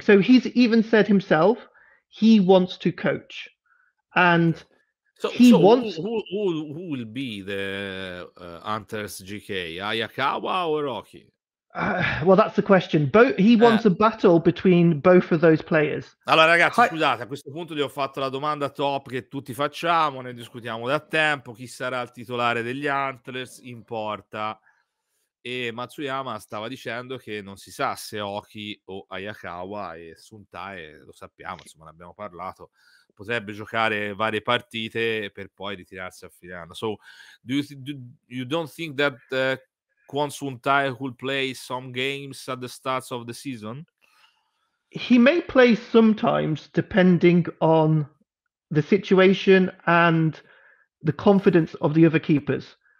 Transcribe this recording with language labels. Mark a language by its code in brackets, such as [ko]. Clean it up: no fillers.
[en] So he's even said himself he wants to coach. And who will be the Antlers GK? Ayakawa or Rocky? Well, that's the question. He wants a battle between both of those players. [it] Allora, ragazzi, scusate, a questo punto gli ho fatto la domanda top che tutti facciamo, ne discutiamo da tempo. Chi sarà il titolare degli Antlers? Importa. E Matsuyama stava dicendo che non si sa se Oki o Ayakawa, e Sun Tae, lo sappiamo, insomma, ne abbiamo parlato, potrebbe giocare varie partite per poi ritirarsi a fine anno. [en] So, you don't think that Kwon Sun Tae will play some games at the start of the season? He may play sometimes, depending on the situation and the confidence of the other keepers.